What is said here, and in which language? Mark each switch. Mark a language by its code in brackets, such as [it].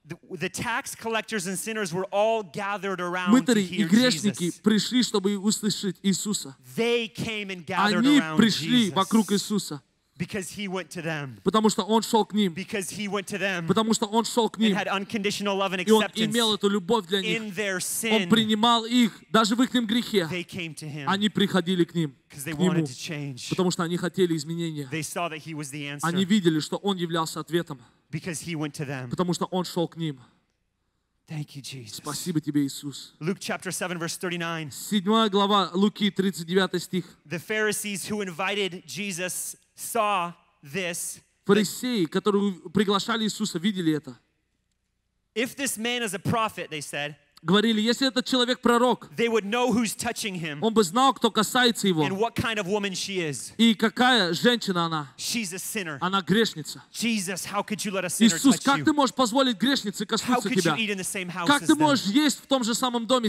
[en] The tax collectors and sinners were all gathered around [ru] Мытари [en] to hear [ru] и грешники [en] Jesus. [ru] Пришли, чтобы услышать Иисуса. [en] They came and gathered [ru] Они [en] around [ru] пришли [en] Jesus [ru] вокруг Иисуса. [en] Because he went to them. [ru] Потому что он шел к ним. [en] Because he went to them. [ru] Потому что он шел к ним. [en] And had unconditional love and acceptance. [ru] И он имел эту любовь для них. [en] In their sin. [ru] Он принимал их даже в их грехе. [en] They came to him. [ru] Они приходили к ним. [en] Because they [ru] к нему, [en] wanted to change. [ru] Потому что они хотели изменения. [en] They saw that he was the answer. [ru] Они видели, что он являлся ответом. [en] Because he went to them. [ru] Потому что он шел к ним. [en] Thank you, Jesus. [ru] Спасибо тебе, Иисус. [en] Luke chapter 7, verse 39. [ru] Седьмая глава Луки 39 стих. [en] The Pharisees who invited Jesus saw this. [ru] Фарисеи, которые приглашали Иисуса, видели это. [en] If this man is a prophet, they said. [ru] Говорили, если этот человек пророк, [en] they would know who's touching him. [ru] Он бы знал, кто касается его. [en] And what kind of woman she is. [ru] И какая женщина она. [en] She's a sinner. [ru] Она грешница. [en] Jesus, how could you let a sinner [ru] Иисус, [en] touch [ru] как [en] you? [ru] Ты можешь позволить грешнице коснуться [en] how could [ru] тебя? [en] You eat in the same house [ru] как [en] as [ru] ты можешь them? Есть в том же самом доме